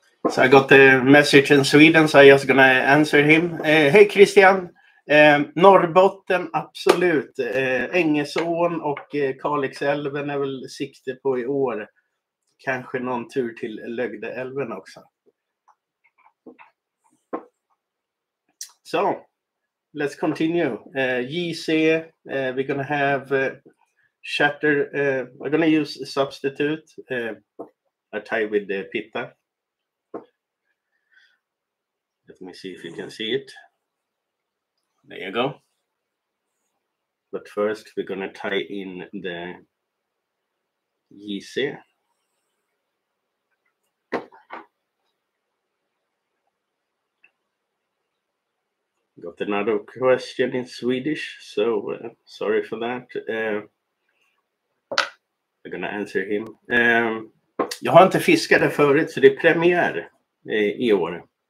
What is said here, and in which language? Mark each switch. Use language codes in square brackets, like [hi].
[en] So I got the message in Sweden, so I'm just going to answer him. [sv] Hey Christian, Norrbotten, absolut. Ängesån och Kalixälven är väl sikte på i år. Kanske någon tur till Lögdeälven också. [en] So, let's continue. GC, we're going to have chatter. We're going to use a substitute. I tie with the pitta. Let me see if you can see it. There you go. But first, we're going to tie in the GC. Got another question in Swedish, so sorry for that. I'm going to answer him. [sv] Jag har inte fiskat förut, så det är premiär i år.